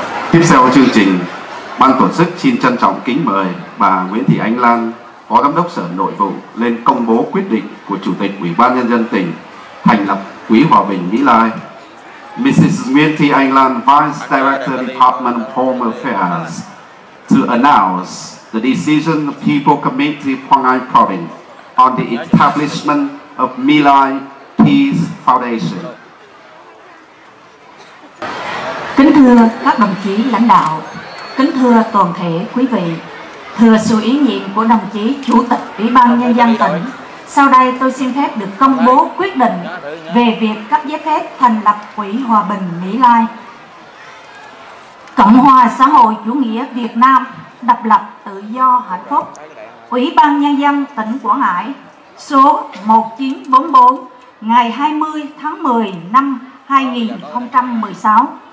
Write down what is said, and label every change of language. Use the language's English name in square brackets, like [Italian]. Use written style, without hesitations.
[Vietnamese] Tiếp theo chương trình, ban tổ chức xin trân trọng kính mời bà Nguyễn Thị Anh Lan, Phó Giám đốc Sở Nội vụ lên công bố quyết định của Chủ tịch Ủy ban Nhân dân tỉnh thành lập Quỹ Hòa bình Mỹ Lai. [English] Mrs. Nguyễn Thị Anh Lan, Vice Director, Department of Home Affairs, to announce the decision of People Committee Quang Anh Province on the establishment of My Lai Peace Foundation. [Vietnamese] Kính thưa các đồng chí lãnh đạo, kính thưa toàn thể quý vị, thưa sự ủy nhiệm của đồng chí Chủ tịch Ủy ban Nhân dân tỉnh, sau đây tôi xin phép được công bố quyết định về việc cấp giấy phép thành lập Quỹ Hòa bình Mỹ Lai Cộng hòa Xã hội Chủ nghĩa Việt Nam độc lập tự do hạnh phúc, Ủy ban Nhân dân tỉnh Quảng Ngãi số 1944 ngày 20 tháng 10 năm 2016.